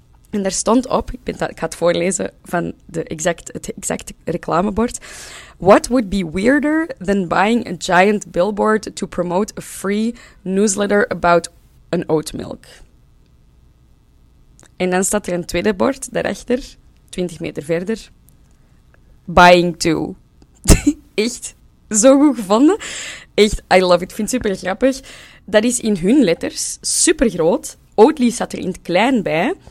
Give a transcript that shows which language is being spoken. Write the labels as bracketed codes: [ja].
[nl] En daar stond op, ik ga het voorlezen van het exact reclamebord. [en] What would be weirder than buying a giant billboard to promote a free newsletter about an oat milk? [nl] En dan staat er een tweede bord daarachter, 20 meter verder. [en] Buying two. [nl] Echt zo goed gevonden. Echt, [en] I love it. [nl] Ik vind het super grappig. Dat is in hun letters super groot. Oatly staat er in het klein bij.